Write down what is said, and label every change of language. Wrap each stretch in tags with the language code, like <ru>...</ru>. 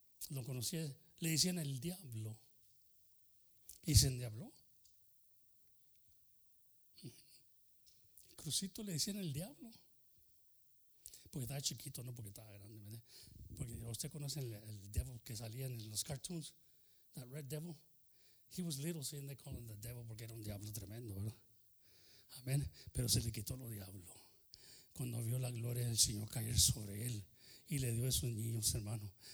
<es>Lo conocía, le decían el diablo. Y se endiabló. Crucito le decían el diablo. Porque estaba chiquito, no porque estaba grande, ¿verdad? Porque usted conoce el diablo que salía en los cartoons,</es> <en>that red devil. He was little, so they called him the devil</en> <es>porque era un diablo tremendo, ¿verdad? Amén. Pero se le quitó lo diablo. Cuando vio la gloria del Señor caer sobre él y le dio a esos niños, hermano.</es>